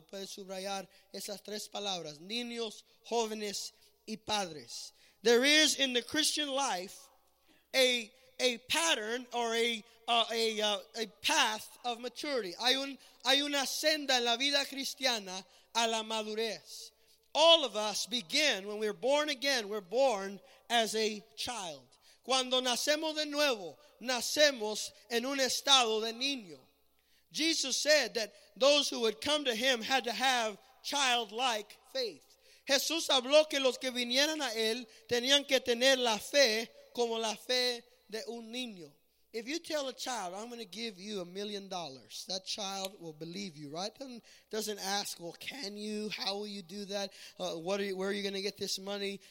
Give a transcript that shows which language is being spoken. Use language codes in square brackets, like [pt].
[es] Puedes subrayar esas tres palabras, niños, jóvenes y padres. [en] There is in the Christian life a pattern or a path of maturity. [es] Hay una senda en la vida cristiana a la madurez. [en] All of us begin, when we're born again, we're born as a child. [es] Cuando nacemos de nuevo, nacemos en un estado de niño. [en] Jesus said that those who would come to him had to have childlike faith. [es] Jesús habló que los que vinieran a él tenían que tener la fe como la fe de un niño. [en] If you tell a child, I'm going to give you $1 million, that child will believe you, right? Doesn't ask, well, can you? How will you do that? Where are you going to get this money?